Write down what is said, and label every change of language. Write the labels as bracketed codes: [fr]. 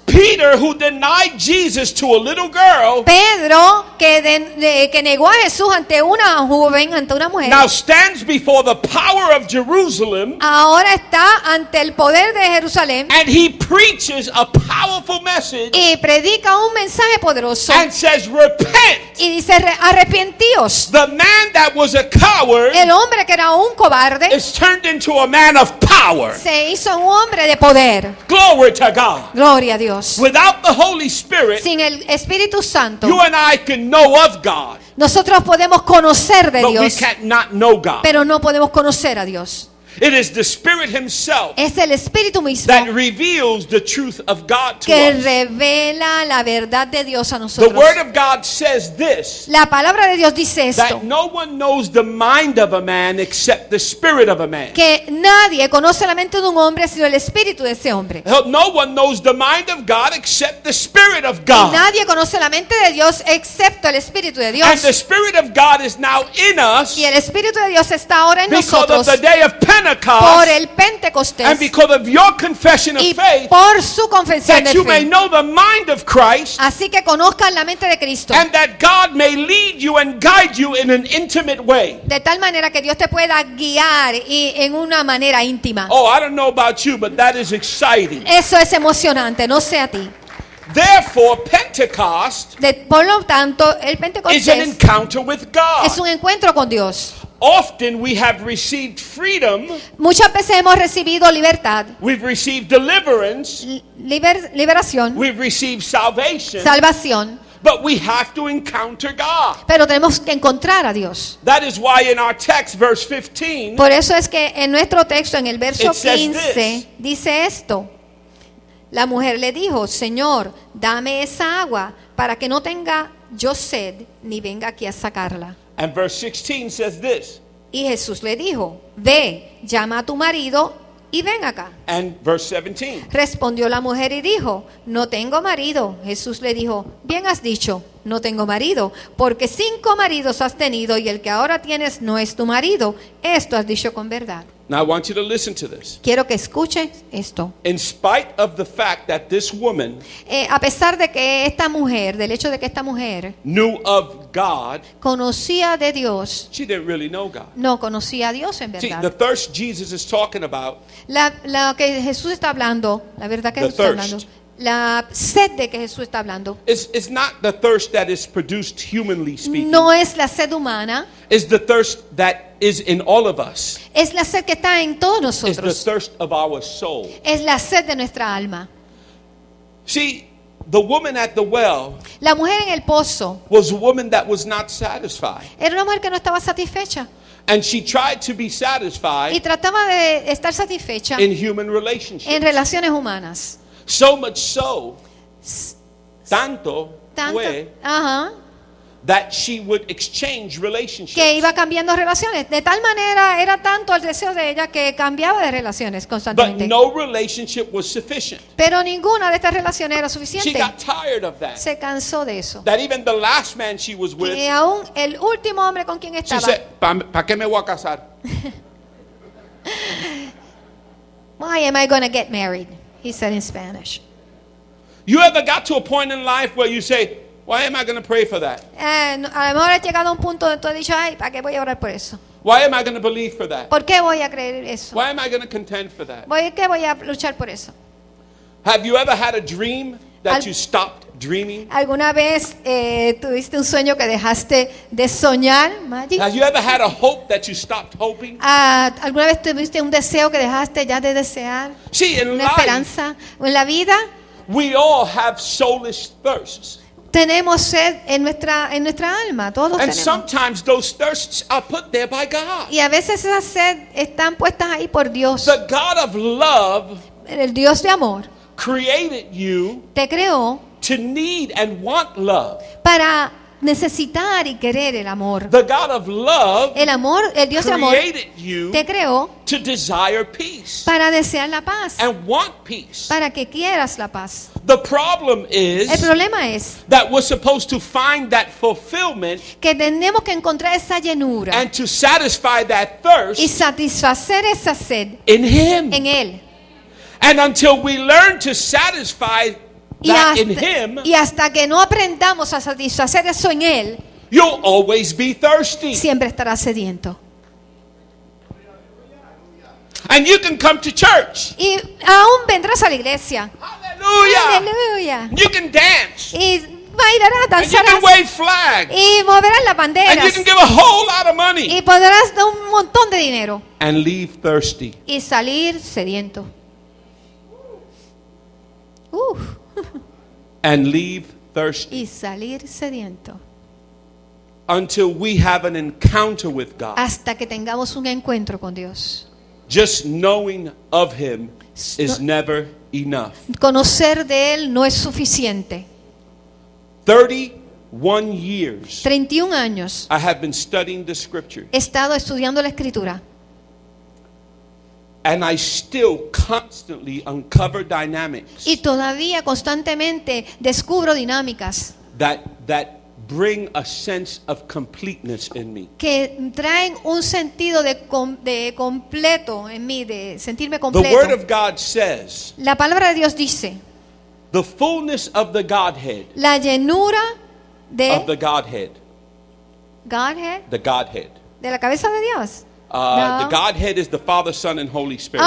[en] Peter, who denied Jesus to a little girl, [es] Pedro, que negó a Jesús ante una joven, ante una mujer, [en] now stands before the power of Jerusalem, [es] ahora está ante el poder de Jerusalén, [en] and he preaches a powerful message, [es] y predica un mensaje poderoso, [en] and says, repent, [es] y dice, arrepentíos, [en] the man that was a coward, [es] el hombre que era un cobarde, [en] is turned into a man of power, [es] se hizo un hombre de poder, [en] glory to God, [es] gloria a Dios. [en] Without the Holy Spirit, [es] sin el Espíritu Santo, [en] you and I can know of God, [es] nosotros podemos conocer de [en] but [es] Dios, [en] we can't not know God. [es] Pero no podemos conocer a Dios. [en] It is the Spirit Himself, [es] es el Espíritu mismo, [en] that reveals the truth of God to [es] que [en] us. [es] Revela la verdad de Dios a nosotros. [en] The Word of God says this, [es] la palabra de Dios dice esto, [en] that no one knows the mind of a man except the spirit of a man. [es] Que nadie conoce la mente de un hombre sino el espíritu de ese hombre. [en] No one knows the mind of God except the spirit of God. [es] Y nadie conoce la mente de Dios excepto el espíritu de Dios. [en] And the Spirit of God is now in us, [es] y el espíritu de Dios está ahora en [en] because [es] nosotros. [en] Of the day of [es] por el Pentecostés, [en] and because of your confession of [es] y [en] faith, [es] por su confesión [en] that [es] de fe, [en] you may know the mind of Christ, [es] así que conozcan la mente de Cristo, [en] and that God may lead you and guide you in an intimate way, [es] de tal manera que Dios te pueda guiar y en una manera íntima. [en] Oh, I don't know about you, but that is exciting. [es] Eso es emocionante, no sé a ti. [en] Therefore, Pentecost, [es] por lo tanto, el Pentecostés [en] is an encounter with God. [es] Es un encuentro con Dios. [en] Often we have received freedom. [es] Muchas veces hemos recibido libertad. [en] We've received deliverance. [es] Liberación. [en] We've received salvation. [es] Salvación. [en] But we have to encounter God. [es] Pero tenemos que encontrar a Dios. [en] That is why in our text, verse 15. [es] Por eso es que en nuestro texto, en el verso 15, dice esto. La mujer le dijo, Señor, dame esa agua para que no tenga yo sed ni venga aquí a sacarla. [en] And verse 16 says this. [es] Y Jesús le dijo, ve, llama a tu marido y ven acá. [en] And verse 17. [es] Respondió la mujer y dijo, no tengo marido. Jesús le dijo, bien has dicho, no tengo marido, porque 5 maridos has tenido y el que ahora tienes no es tu marido. Esto has dicho con verdad. [en] Now I want you to listen to this. [es] Quiero que escuche esto. [en] In spite of the fact that this woman, [es] a pesar de que esta mujer, del hecho de que esta mujer [en] knew of God, [es] conocía de Dios, [en] she didn't really know God. [es] No conocía a Dios en verdad. [en] See, the thirst Jesus is talking about, [es] la que Jesús está hablando, la verdad que Jesús está hablando, la sed de que Jesús está hablando. [en] It's not the thirst that is produced humanly speaking. [es] No es la sed humana. [en] It's the thirst that is in all of us. [es] Es la sed que está en todos nosotros. [en] It's the thirst of our soul. [es] Es la sed de nuestra alma. [en] See, the woman at the well, [es] la mujer en el pozo, [en] was a woman that was not satisfied. [es] Era una mujer que no estaba satisfecha. [en] And she tried to be satisfied, [es] y trataba de estar satisfecha, [en] in human relationships. [es] En relaciones humanas. [en] So much so, [es] tanto, tanto fue, [en] that she would exchange relationships. [es] Que iba cambiando relaciones. De tal manera era tanto el deseo de ella que cambiaba de relaciones constantemente. [en] But no relationship was sufficient. [es] Pero ninguna de estas relaciones era suficiente. [en] She got tired of that. [es] Se cansó de eso. [en] That even the last man she was with, [es] que aún el último hombre con quien estaba, [en] she said, [es] ¿Para qué me voy a casar? [en] Why am I going to get married? He said in Spanish. You ever got to a point in life where you say, why am I going to pray for that? [es] A lo mejor has llegado a un punto donde tú has dicho, ay, ¿para qué voy a orar por eso? [en] Why am I going to believe for that? [es] ¿Por qué voy a creer eso? [en] Why am I going to contend for that? [es] ¿Por qué voy a luchar por eso? [en] Have you ever had a dream that you stopped dreaming? [es] ¿Alguna vez tuviste un sueño que dejaste de soñar, Maggie? [en] Have you ever had a hope that you stopped hoping? [es] ¿Alguna vez tuviste un deseo que dejaste ya de desear? Sí, una esperanza en la vida. [en] We all have soulless thirsts. [es] Tenemos sed en nuestra alma, todos [en] and [es] tenemos. [en] Sometimes those thirsts are put there by God. [es] Y a veces esa sed están puestas ahí por Dios. [en] The God of love, [es] el Dios de amor, [en] created you, [es] te creó, [en] to need and want love, [es] para necesitar y querer el amor. [en] The God of love, [es] el amor, el Dios de amor, [en] created you, [es] te creó, [en] to desire peace, [es] para desear la paz, [en] and want peace, [es] para que quieras la paz. [en] The problem is, [es] el problema es, [en] that we're supposed to find that fulfillment, [es] que tenemos que encontrar esa llenura, [en] and to satisfy that thirst, [es] y satisfacer esa sed, [en] in him, [es] en él. [en] And until we learn to satisfy that in him, [es] y hasta que no aprendamos a satisfacer eso en él, [en] you'll always be thirsty. [es] Siempre estarás sediento. [en] And you can come to church. [es] Y aún vendrás a la iglesia. [en] Hallelujah. [es] Hallelujah. [en] You can dance. [es] Y bailarás, danzarás. [en] And you can wave flags. [es] Y moverás las banderas. [en] And you can give a whole lot of money. [es] Y podrás dar un montón de dinero. [en] And leave thirsty. [es] Y salir sediento. [en] And leave thirsty. [es] Y salir sediento. [en] Until we have an encounter with God. [es] Hasta que tengamos un encuentro con Dios. [en] Just knowing of him is never enough. [es] Conocer de él no es suficiente. [en] 31 years. [es] 31 años. [en] I have been studying the scripture. [es] He estado estudiando la escritura. [en] And I still constantly uncover dynamics. [es] Y todavía constantemente descubro dinámicas. [en] That bring a sense of completeness in me. [es] Que traen un sentido de completo en mí, de sentirme completo. [en] The word of God says. [es] La palabra de Dios dice. [en] The fullness of the Godhead. [es] La llenura de. [en] Of the Godhead. Godhead. The Godhead. [es] De la cabeza de Dios. No. [en] The Godhead is the Father, Son, and Holy Spirit.